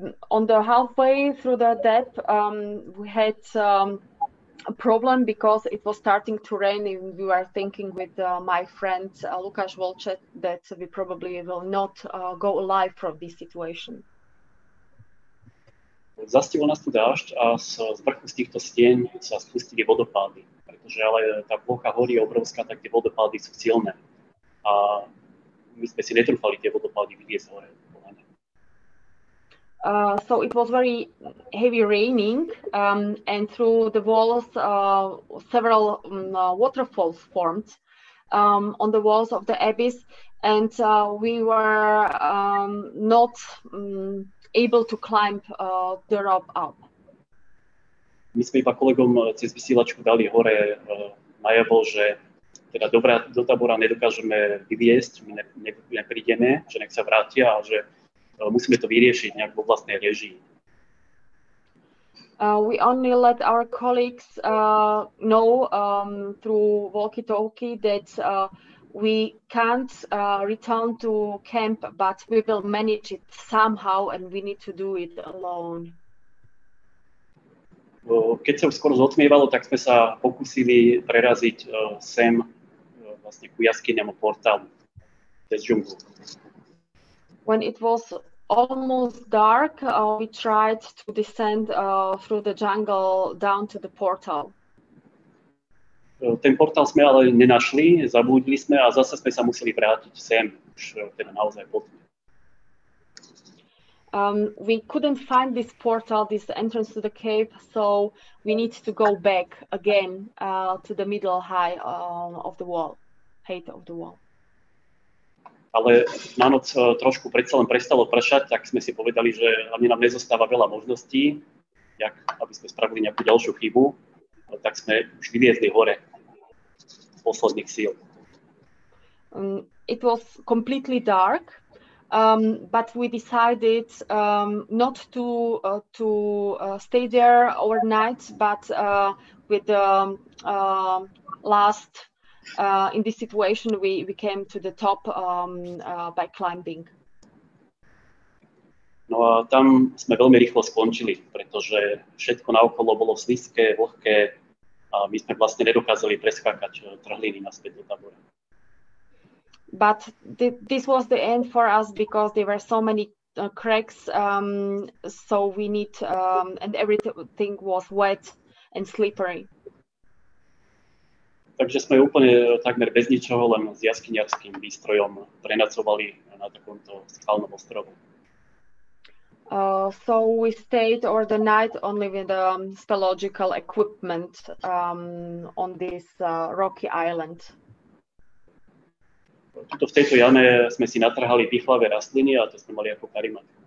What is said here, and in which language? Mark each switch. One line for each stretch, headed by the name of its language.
English: On the halfway through the depth, we had a problem because it was starting to rain, and we were thinking with my friend Lukáš Volček that we probably will not go alive from this situation.
Slovak: Zastihlo nás tu dážď a z vrchu z týchto stien sa spustili vodopády, pretože ale tá plocha hory je obrovská, tak tie vodopády sú silné. A my sme si netrúfali tie vodopády vyliesť hore.
English: So it was very heavy raining, and through the walls several waterfalls formed on the walls of the abyss, and we were not able to climb the rope up.
Slovak: My sme iba kolegom cez vysielačku dali hore najavo, že teda dobra, do tábora nedokážeme vyviesť, my neprídeme, že nech sa vrátia a že musíme to vyriešiť nejak vo vlastnej režii.
English: We only let our colleagues know through walkie-talkie that we can't return to camp, but we will manage it somehow and we need to do it alone.
Slovak: Keď sa už skoro zotmievalo, tak sme sa pokúsili preraziť sem vlastne ku jaskynému portálu cez džunglu.
English: When it was almost dark, we tried to descend through the jungle down to the portal.
Slovak: Ten portál sme ale nenašli, zabudli sme a zase sme sa museli vrátiť sem, už teda naozaj potom.
English: We couldn't find this portal, this entrance to the cave, so we need to go back again to the middle height of the wall, height of the wall.
Slovak: Ale na noc trošku predsa len prestalo pršať, tak sme si povedali, že ani nám nezostáva veľa možností, jak, aby sme spravili nejakú ďalšiu chybu, tak sme už vyviezli hore z posledných síl.
English: It was completely dark. But we decided not to stay there overnight, but with the last in this situation, we came to the top by climbing.
Slovak: No a tam sme veľmi rýchlo skončili, pretože všetko naokolo bolo slizké, vlhké a my sme vlastne nedokázali preskákať trhliny naspäť do tábora.
English: But this was the end for us because there were so many cracks, so we need, and everything was wet and slippery.
Slovak: Takže sme úplne takmer bez ničoho, len s jaskyniarským výstrojom prenacovali na takomto skalnom ostrovu.
English: So we stayed over the night only with the speleological equipment on this rocky island.
Slovak: Tuto v tejto jame sme si natrhali pichlavé rastliny a to sme mali ako karimat.